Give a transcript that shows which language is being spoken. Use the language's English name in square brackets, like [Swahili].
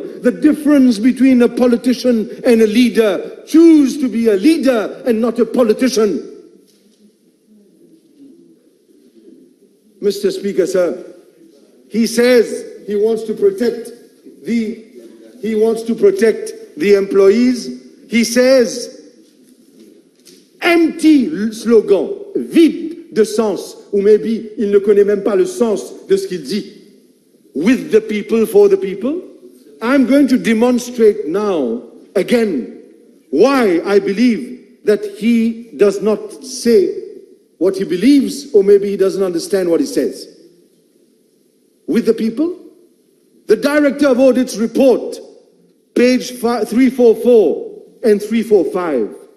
[English] The difference between a politician and a leader, choose to be a leader and not a politician. Mr. Speaker, sir, he says he wants to protect the employees. He says, empty slogan, [French] vide de sens, ou maybe il ne connaît même pas le sens de ce qu'il dit. [English] With the people, for the people. I'm going to demonstrate now, again, why I believe that he does not say what he believes, or maybe he doesn't understand what he says. With the people. The Director of Audit's report, page 344 and 345.